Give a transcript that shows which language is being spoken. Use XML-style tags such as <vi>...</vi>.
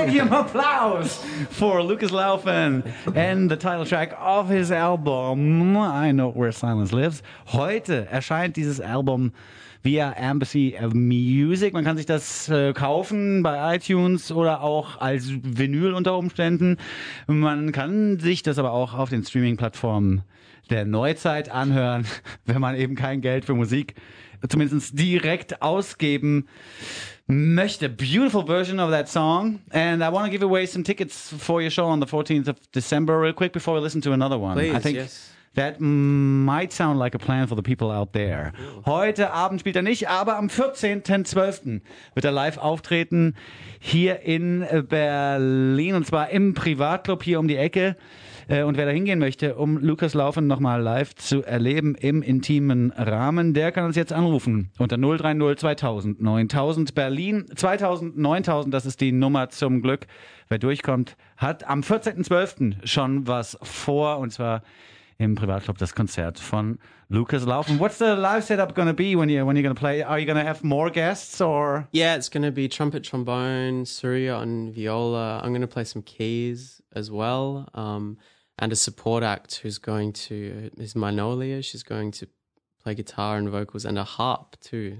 <en>applause for Lucas Laufen and the title track of his album I Know Where Silence Lives.</en> <de>Heute erscheint dieses Album via Embassy of Music. Man kann sich das kaufen bei iTunes oder auch als Vinyl unter Umständen. Man kann sich das aber auch auf den Streaming-Plattformen der Neuzeit anhören, wenn man eben kein Geld für Musik zumindest direkt ausgeben möchte.</de> <en>Beautiful version of that song. And I want to give away some tickets for your show on the 14th of December real quick before we listen to another one. Please, I think yes. That might sound like a plan for the people out there.</en> <de>Ooh. Heute Abend spielt nicht, aber am 14.12. wird live auftreten hier in Berlin und zwar im Privatclub hier die Ecke. Und wer da hingehen möchte, Lucas Laufen nochmal live zu erleben im intimen Rahmen, der kann uns jetzt anrufen unter 030 2000 9000 Berlin 2000 9000. Das ist die Nummer zum Glück. Wer durchkommt, hat am 14.12. schon was vor und zwar im Privatclub das Konzert von Lucas Laufen.</de> <en>What's the live setup going to be when you're going to play? Are you going to have more guests or? Yeah, it's going to be trumpet, trombone, surya on viola. I'm going to play some keys as well. And a support act is Manolia. She's going to play guitar and vocals and a harp too.</en>